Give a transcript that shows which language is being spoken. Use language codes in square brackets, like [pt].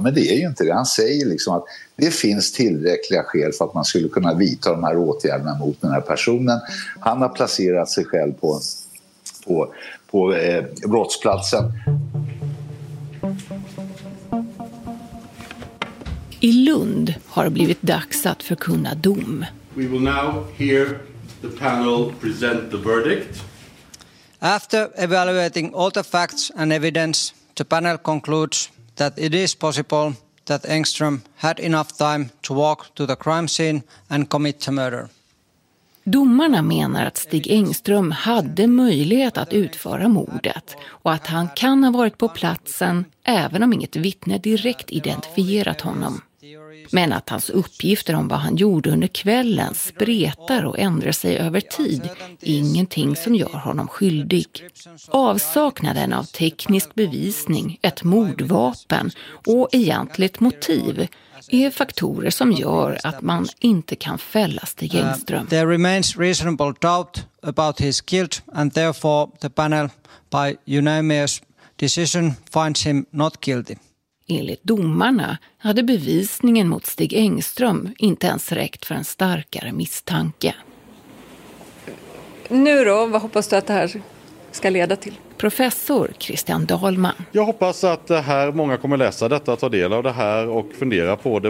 [sv] Men det är ju inte det. Han säger liksom att det finns tillräckliga skäl för att man skulle kunna vidta de här åtgärderna mot den här personen. Han har placerat sig själv på brottsplatsen. I Lund har det blivit dags att förkunna dom. [en] We will now hear the panel present the verdict. After evaluating all the facts and evidence, the panel concludes that it is possible that Engström had enough time to walk to the crime scene and commit the murder. [sv] Domarna menar att Stig Engström hade möjlighet att utföra mordet och att han kan ha varit på platsen även om inget vittne direkt identifierat honom. Men att hans uppgifter om vad han gjorde under kvällen spretar och ändrar sig över tid är ingenting som gör honom skyldig. Avsaknaden av teknisk bevisning, ett mordvapen och egentligt motiv är faktorer som gör att man inte kan fälla Stig Engström. [en] There remains reasonable doubt about his guilt and therefore the panel by unanimous decision finds him not guilty. [sv] Enligt domarna hade bevisningen mot Stig Engström inte ens räckt för en starkare misstanke. Nu då, vad hoppas du att det här ska leda till? Professor Christian Dahlman. Jag hoppas att det här, många kommer läsa detta, ta del av det här och fundera på det.